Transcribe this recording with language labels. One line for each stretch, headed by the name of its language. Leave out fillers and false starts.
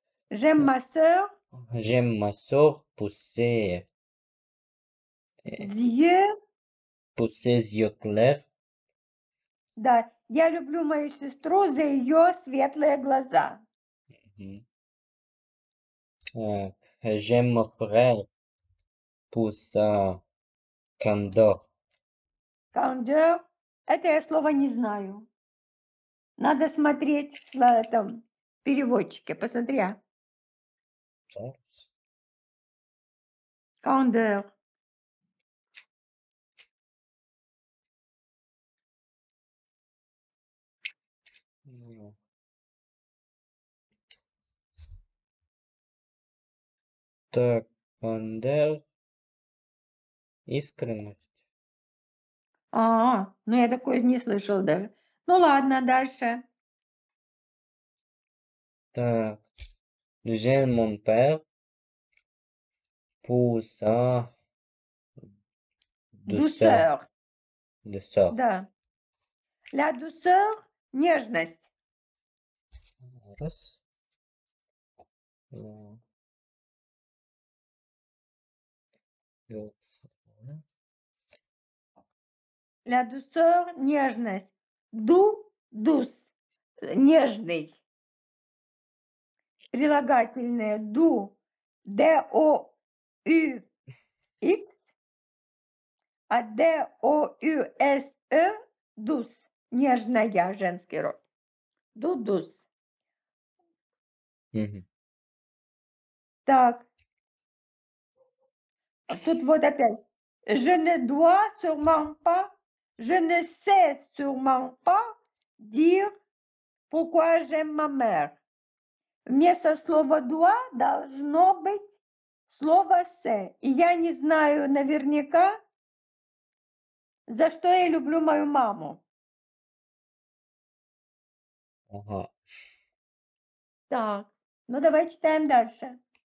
French: J'aime ma soeur. J'aime ma soeur pousser Zieux. yeux clairs.
Russian: Да, я люблю мою сестру за ее светлые глаза.
French: J'aime mon frère pour sa candeur.
Russian: Кандер, это я слово не знаю. Надо смотреть в этом переводчике. Посмотри. Кандер. Так, Вандер. Искренность. А, ну я такое не слышал даже. Ну ладно, дальше.
French: Так, j'aime mon père pour sa douceur. Douceur. Douceur.
Russian: Да.
French: La douceur, нежность.
Russian: Раз. Два.
French: La douceur, нежность.
Russian: Дус, нежный. Прилагательное ду, ду, икс. А дуэсэ, дус, нежная, женский род. Дудус. Так. Тут вот опять.
French: Je ne dois sûrement pas, je ne sais sûrement pas dire pourquoi j'aime ma mère.
Russian: Вместо слова «дуа» должно быть слово «се». И я не знаю наверняка, за что я люблю мою маму? Так, ну давай читаем дальше.